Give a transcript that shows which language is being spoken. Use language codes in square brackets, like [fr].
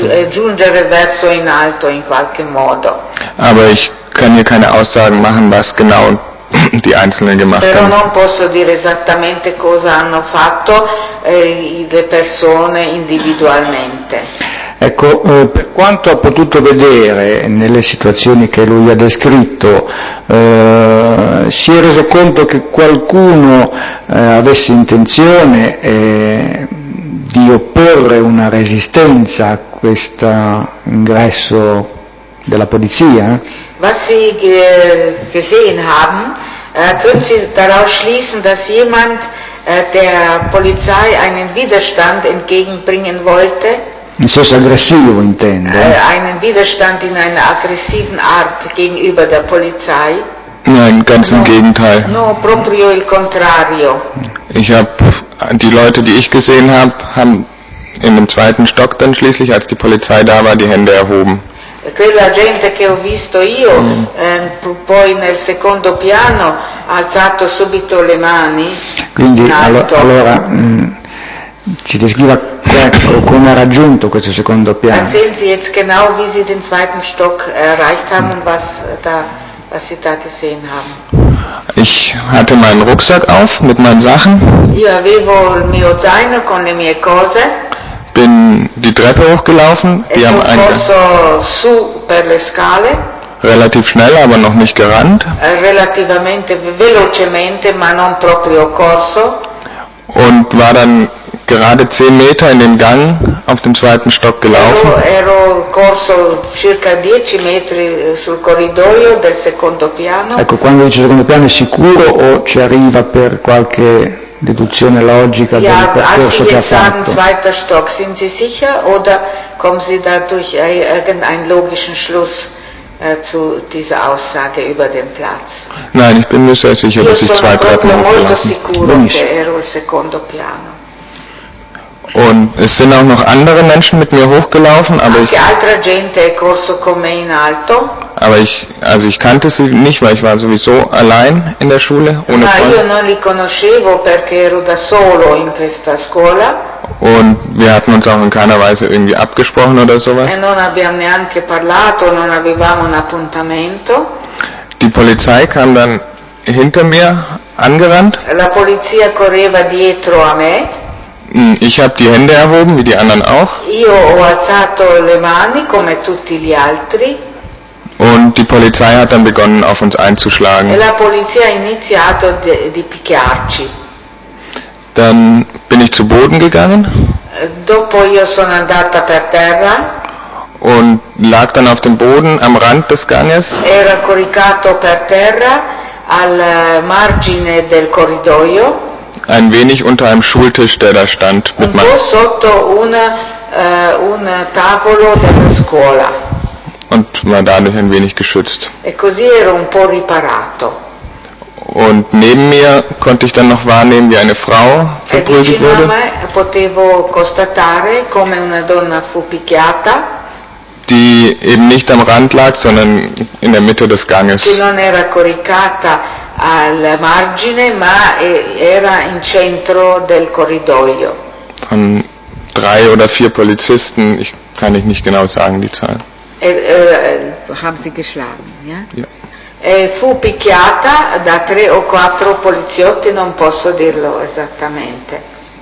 [it] Giungere verso in alto in qualche modo. [de] Aber ich kann hier keine Aussagen machen, was genau die Einzelnen gemacht [it] però [de] haben. [it] Però non posso dire esattamente cosa hanno fatto le persone individualmente. Ecco, per quanto ha potuto vedere nelle situazioni che lui ha descritto, si è reso conto che qualcuno avesse intenzione di opporre una resistenza a questo ingresso della polizia? [de] Was Sie gesehen haben, können Sie daraus schließen, dass jemand der Polizei einen Widerstand entgegenbringen wollte? [it] In senso aggressivo intende. [de] Einen Widerstand in einer aggressiven Art gegenüber der Polizei? Nein, ganz im Gegenteil. [it] No, proprio il contrario. [de] Ich habe die Leute, die ich gesehen habe, haben in dem zweiten Stock dann schließlich, als die Polizei da war, die Hände erhoben. [it] Quella gente che ho visto io, poi nel secondo piano, ha alzato subito le mani. Quindi in alto. Allora ci descriva come ha raggiunto questo secondo piano. [de] Erzählen Sie jetzt genau, wie Sie den zweiten Stock erreicht haben und was Sie da gesehen haben. Ich hatte meinen Rucksack auf mit meinen Sachen. [it] Io avevo il mio zaino con le mie cose. [de] Bin die Treppe hochgelaufen. Die [it] e [de] haben [it] corso su per le scale. [de] Relativ schnell, aber noch nicht gerannt. [it] Relativamente velocemente, ma non proprio corso. [de] und war dann gerade 10 Meter in den Gang auf dem zweiten Stock gelaufen. [it] Ecco, quando dice secondo piano è sicuro o ci arriva per qualche deduzione logica del percorso che ha fatto? [de] Zweiter Stock, sind Sie sicher oder kommen Sie da durch irgendeinen logischen Schluss zu dieser Aussage über den Platz? Nein, ich bin mir sehr sicher, dass ich zwei Treppen hochgelaufen bin. Und es sind auch noch andere Menschen mit mir hochgelaufen, aber ich. [it] Altra gente è corso con me in alto. [de] Aber ich, also ich kannte sie nicht, weil ich war sowieso allein in der Schule, ohne Freunde. [it] Io non li conoscevo perché ero da solo in questa scuola. [de] Und wir hatten uns auch in keiner Weise irgendwie abgesprochen oder sowas. [it] E non abbiamo neanche parlato, non avevamo un appuntamento. [de] Die Polizei kam dann hinter mir angerannt. [it] La polizia correva dietro a me. [de] Ich habe die Hände erhoben, wie die anderen auch. [it] Io ho alzato le mani come tutti gli altri. [de] Und die Polizei hat dann begonnen, auf uns einzuschlagen. [it] La polizia ha iniziato di picchiarci. [de] Dann bin ich zu Boden gegangen. [it] Dopo io sono andata per terra. [de] Und lag dann auf dem Boden am Rand des Ganges. [it] Era coricato per terra al margine del corridoio. [de] Ein wenig unter einem Schultisch, der da stand. Mit [it] un po' sotto un tavolo della scuola. [de] Und war dadurch ein wenig geschützt. [it] E così ero un po' riparato. [de] Und neben mir konnte ich dann noch wahrnehmen, wie eine Frau verprügelt wurde. [it] E vicino a me potevo constatare come una donna fu picchiata. [de] Die eben nicht am Rand lag, sondern in der Mitte des Ganges. [it] Che non era coricata al margine, ma era in centro del corridoio. [de] Von 3 oder 4 Polizisten, ich kann ich nicht genau sagen die Zahl. Haben sie geschlagen, ja? Ja. [it] Fu picchiata da 3 o 4 poliziotti, non posso dirlo esattamente.